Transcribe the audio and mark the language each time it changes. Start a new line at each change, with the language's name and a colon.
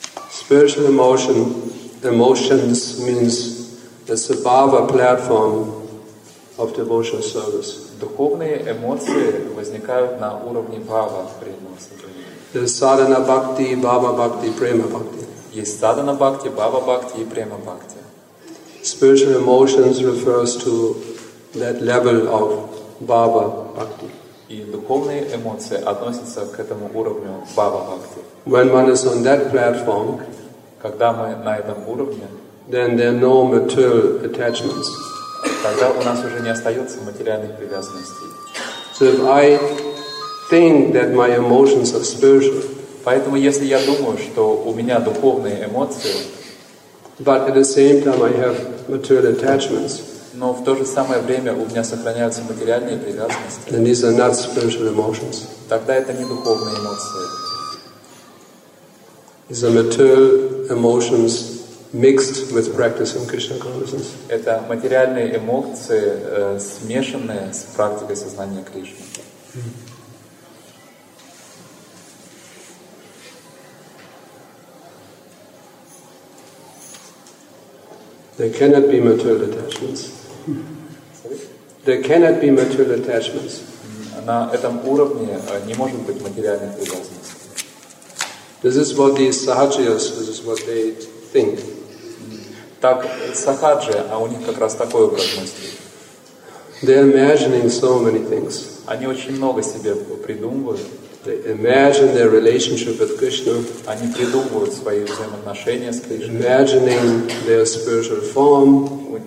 English: Spiritual emotion, emotions means the sabhava platform of devotional service.
Russian: Духовные эмоции возникают на уровне бхава, према.
English: There's sadhana bhakti, bhava bhakti, prema bhakti.
Russian: Есть sadhana bhakti, bhava bhakti и prema bhakti.
English: Spiritual emotions refers to that level of bhava bhakti.
Russian: И духовные эмоции относятся к этому уровню bhava bhakti.
English: When one is on that platform,
Russian: когда мы на этом уровне,
English: then there are no material attachments.
Russian: Тогда у нас уже не остается материальных привязанностей.
English: So if I think that my emotions are spiritual,
Russian: поэтому если я думаю, что у меня духовные эмоции,
English: but at the same time I have material attachments,
Russian: но в то же самое время у меня сохраняются материальные привязанности,
English: then these are not spiritual emotions.
Russian: Тогда это не духовные эмоции.
English: is the material emotions mixed with practicing Krishna consciousness.
Russian: Это материальные эмоции, смешанные с практикой сознания Кришны.
English: There cannot be material attachments. There cannot be material attachments.
Russian: На этом уровне не может быть материальных привязанностей.
English: This is what these sahajiyas, this is what they think.
Russian: Так сахаджи, а у них как раз такое образ мысли.
English: They're imagining so many things.
Russian: Они очень много себе придумывают.
English: They imagine their relationship with Krishna.
Russian: Они придумывают свои взаимоотношения с Кришной.
English: Imagining their spiritual form.